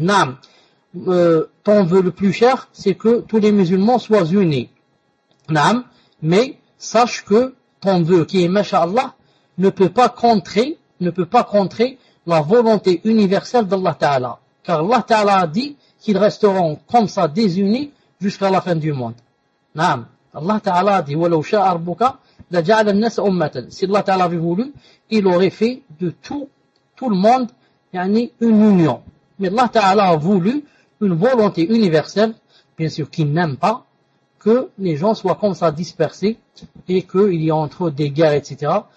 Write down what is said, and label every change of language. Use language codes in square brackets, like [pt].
[fr] Naam, ton vœu le plus cher, c'est que tous les musulmans soient unis. Naam, mais, sache que ton vœu, qui est mashallah, ne peut pas contrer la volonté universelle d'Allah Ta'ala. Car Allah Ta'ala a dit qu'ils resteront comme ça désunis jusqu'à la fin du monde. Naam. Allah Ta'ala a dit, [ar] وَلَوْ شَاءَ رَبُّكَ لَجَعَلَ النَّاسَ أُمَّةً. [fr] Si Allah Ta'ala avait voulu, il aurait fait de tout le monde, yani une union. Mais Allah Ta'ala a voulu une volonté universelle, bien sûr qu'il n'aime pas, que les gens soient comme ça dispersés et qu'il y ait entre eux des guerres, etc.